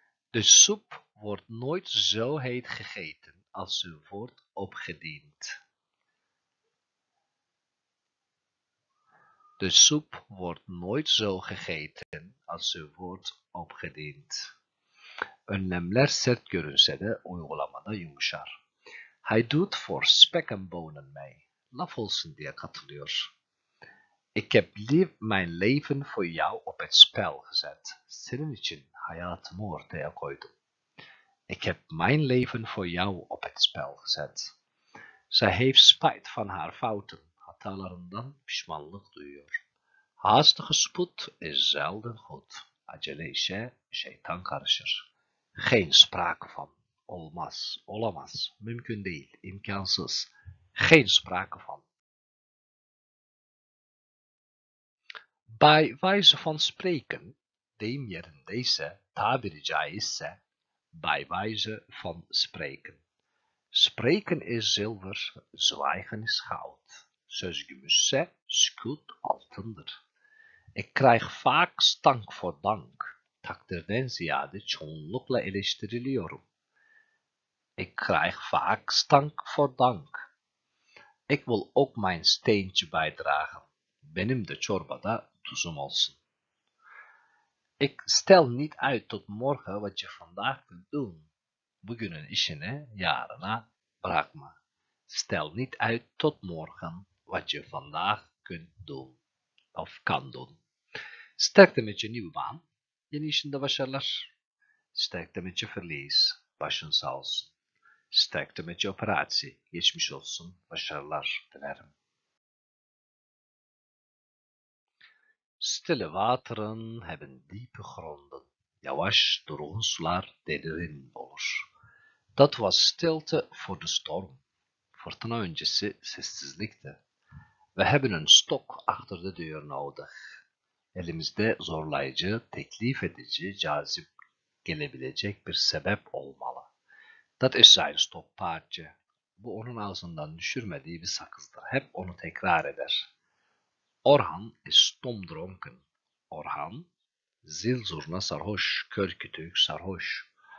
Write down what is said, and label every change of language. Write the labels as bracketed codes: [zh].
[nl] De soep wordt nooit zo heet gegeten als ze wordt opgediend. De soep wordt nooit zo gegeten als ze wordt opgediend. [tr] Önlemler sert görünse de uygulamada yumuşar. [nl] Hij doet voor spek en bonen mee. [tr] Laf olsun diye katılıyor. [nl] Ik heb mijn leven voor jou op het spel gezet. [tr] Senin için hayatımı ortaya koydum. [nl] Ik heb mijn leven voor jou op het spel gezet. Zij heeft spijt van haar fouten. [tr] Hatalarından pişmanlık duyuyor. [nl] Haastige spoed is zelden goed. [tr] Acele işe şeytan karışır. [nl] Geen sprake van. [tr] Olmaz, olamaz. Mümkün değil, imkansız. [nl] Geen sprake van. Bij wijze van spreken, deem je in deze [tr] tabiri caizse, [nl] bij wijze van spreken. Spreken is zilver, zwijgen is goud. [tr] Söz gümüşse, sükut altındır. [nl] Ik krijg vaak stank voor dank, [tr] takdirden ziyade çoğunlukla eleştiriliyorum. [nl] Ik krijg vaak stank voor dank. Ik wil ook mijn steentje bijdragen. [tr] Benim de çorbada tuzum olsun. [nl] Ik stel niet uit tot morgen wat je vandaag kunt doen. [tr] Bugünün işini yarına bırakma. [nl] Stel niet uit tot morgen wat je vandaag kunt doen. Of kan doen. Sterkte met je nieuwe baan. [tr] Yeni işinde başarılar. [nl] Sterkte met je verlies. [tr] Başın sağ olsun. [nl] Sterkte met je operatie. [tr] Geçmiş olsun. Başarılar dilerim. [nl] Stille wateren hebben diepe gronden. [tr] Yavaş durgun sular derin olur. [nl] Dat was stilte voor de storm. [tr] Fırtına öncesi sessizlikti. [nl] We hebben een stok achter de deur nodig. [tr] Elimizde zorlayıcı, teklif edici, cazip gelebilecek bir sebep olmalı. [nl] Dat is zijn stokpaardje. [tr] Bu onun ağzından düşürmediği bir sakızdır. Hep onu tekrar eder. [nl] Orhan is stomdronken. [tr] Orhan, zilzurna sarhoş, körkütük sarhoş.